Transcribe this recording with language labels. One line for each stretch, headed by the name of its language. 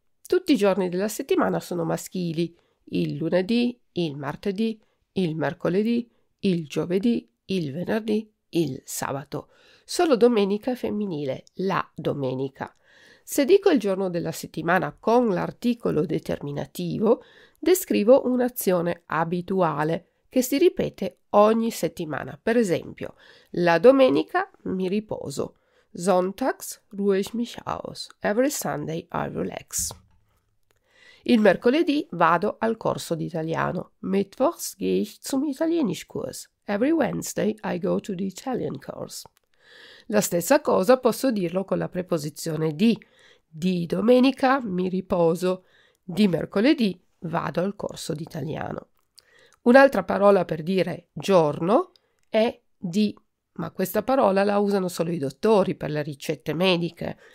Italian: Tutti i giorni della settimana sono maschili, il lunedì, il martedì, il mercoledì, il giovedì, il venerdì, il sabato. Solo domenica è femminile, la domenica. Se dico il giorno della settimana con l'articolo determinativo, descrivo un'azione abituale che si ripete ogni settimana. Per esempio, la domenica mi riposo.
German: Sonntags ruhe ich mich aus.
English: Every Sunday I relax.
Italian: Il mercoledì vado al corso di italiano.
German: Mittwochs gehe ich zum Italienischkurs.
English: Every Wednesday I go to the Italian course.
Italian: La stessa cosa posso dirlo con la preposizione di. Di domenica mi riposo. Di mercoledì vado al corso di italiano. Un'altra parola per dire giorno è di, ma questa parola la usano solo i dottori per le ricette mediche.